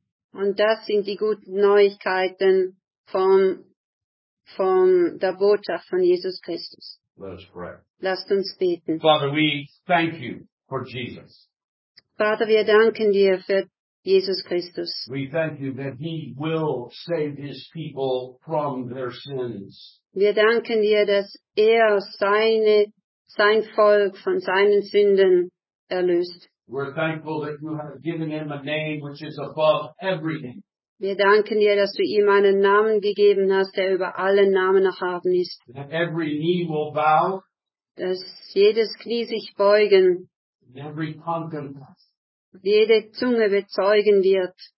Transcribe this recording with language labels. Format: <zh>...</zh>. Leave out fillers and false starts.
<de>Und das sind die guten Neuigkeiten von der Botschaft von Jesus Christus.</de> <en>Let us pray.</en> <de>Lasst uns beten.</de> <en>Father, we thank you for Jesus.</en> <de>Vater, wir danken dir für Jesus Christus.</de> <en>We thank you that he will save his people from their sins.</en> <de>Wir danken dir, dass sein Volk von seinen Sünden erlöst.</de> <en>We're thankful that you have given him a name which is above everything.</en> <de>Wir danken dir, dass du ihm einen Namen gegeben hast, der über alle Namen erhaben ist.</de> <en>Every knee will bow.</en> <de>Dass jedes Knie sich beugen.</de> <en>Every tongue confess.</en> <de>Jede Zunge bezeugen wird.</de>